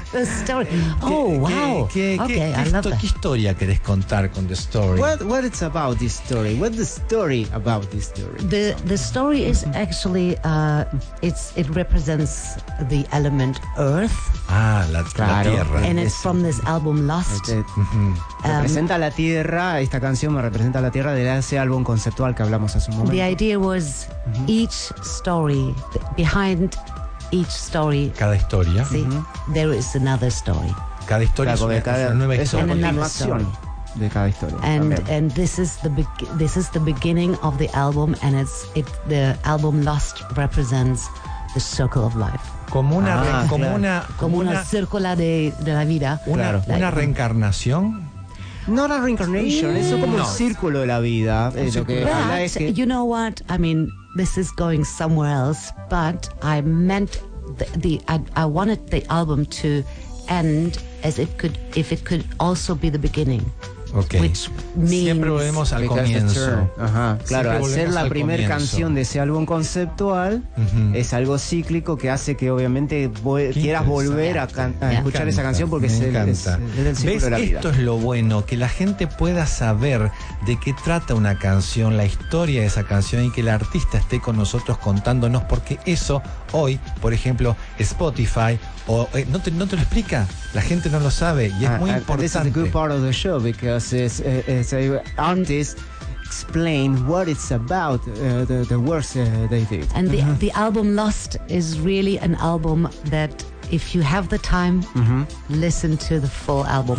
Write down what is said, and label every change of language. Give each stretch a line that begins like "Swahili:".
English: The Story. Oh, wow.
Spanish: ¿Qué historia querés contar con The Story?
English: What it's about, this story? What the story about this story? The story is actually, it represents the element Earth.
Spanish: Ah, la, claro. La tierra.
English: And it's from this album Lost.
Spanish: Representa la tierra, esta canción me representa la tierra de ese álbum conceptual que hablamos hace un momento.
English: The idea was each story, behind each story.
Spanish: Cada historia.
English: Sí, there is another story.
Spanish: Cada historia, claro, es una nueva historia. Es una continuación de cada historia.
English: And this is the beginning of the album, and it's the album Lost represents the circle of life.
Spanish: Como una, como una círcula de la vida. Una, claro. Like, una reencarnación.
English: Not a reincarnation,
Spanish: eso como no. El círculo de la vida.
English: You know what? I mean, this is going somewhere else, but I meant I wanted the album to end as if it could also be the beginning. Okay. Which means
Spanish: siempre volvemos al comienzo. Ajá. Claro, hacer la primera canción de ese álbum conceptual es algo cíclico que hace que obviamente quieras volver a, escuchar esa canción porque me encanta. Es ¿ves? De la vida. Esto es lo bueno, que la gente pueda saber de qué trata una canción, la historia de esa canción y que el artista esté con nosotros contándonos, porque eso hoy, por ejemplo, Spotify o no te lo explica, la gente no lo sabe y es muy importante.
English: This is a good part of the show because it's a artist explain what it's about, the works they did. And the album Lost is really an album that if you have the time, listen to the full album.